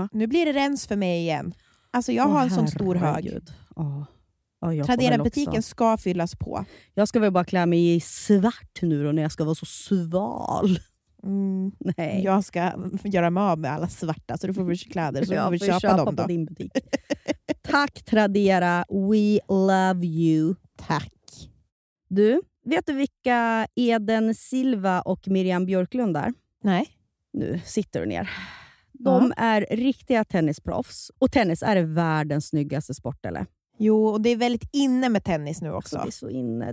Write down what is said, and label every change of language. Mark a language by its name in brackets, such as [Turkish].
[Swedish] Nu blir det rens för mig igen. Alltså jag har en sån stor hög. Tradera-butiken ska fyllas på. Jag ska väl bara klä mig i svart nu då, när jag ska vara så sval. Nej. Jag ska göra mig av med alla svarta, så du får väl kläder så får vi köpa dem då. På din butik. Tack Tradera, [English] we love you. [Swedish] Tack. Du, vet du vilka Eden Silva och Miriam Björklund är? Nej. Nu sitter du ner. De är riktiga tennisproffs. Och tennis är världens snyggaste sport, eller? Jo, och det är väldigt inne med tennis nu också. Alltså, det är så inne.